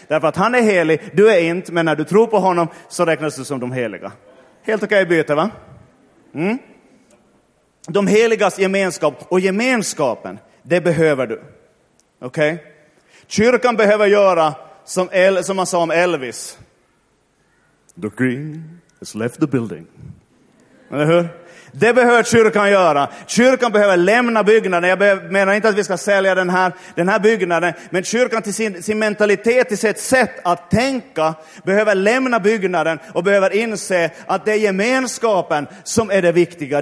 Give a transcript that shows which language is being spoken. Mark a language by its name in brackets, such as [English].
[Swedish] Därför att han är helig, du är inte, men när du tror på honom så räknas du som de heliga. Helt okej byte, va? Mm. De heligas gemenskap och gemenskapen, det behöver du. Okej? Okay? Kyrkan behöver göra som man sa om Elvis. [English] The king has left the building. [Swedish] Eller hur? Det behöver kyrkan göra. Kyrkan behöver lämna byggnaden. Jag menar inte att vi ska sälja den här byggnaden. Men kyrkan till sin mentalitet, till sitt sätt att tänka, behöver lämna byggnaden och behöver inse att det är gemenskapen som är det viktiga.